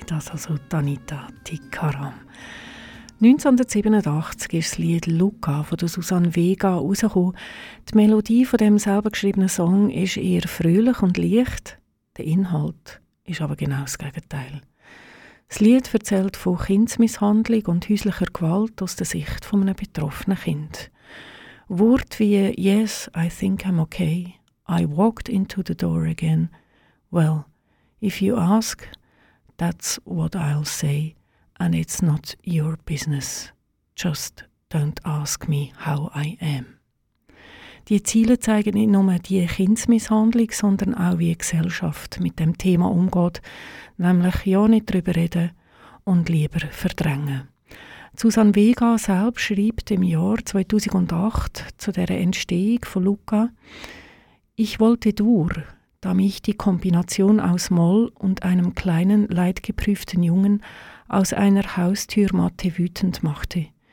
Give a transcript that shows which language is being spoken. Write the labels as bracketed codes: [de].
[de] Das also Anita Tikaram. 1987 ist das Lied «Luca» von Susanne Vega herausgekommen. Die Melodie von dem selber geschriebenen Song ist eher fröhlich und leicht. Der Inhalt ist aber genau das Gegenteil. Das Lied erzählt von Kindsmisshandlung und häuslicher Gewalt aus der Sicht eines betroffenen Kind. Worte wie [en] «Yes, I think I'm okay», I walked into the door again. Well, if you ask, that's what I'll say, and it's not your business. Just don't ask me how I am. [de] Die Ziele zeigen nicht nur die Kindsmisshandlung, sondern auch wie die Gesellschaft mit dem Thema umgeht, nämlich ja nicht drüber reden und lieber verdrängen. Susanne Vega selbst schreibt im Jahr 2008 zu der Entstehung von «Luca»: Ich wollte Dur, da mich die Kombination aus Moll und einem kleinen, leidgeprüften Jungen aus einer Haustürmatte wütend machte.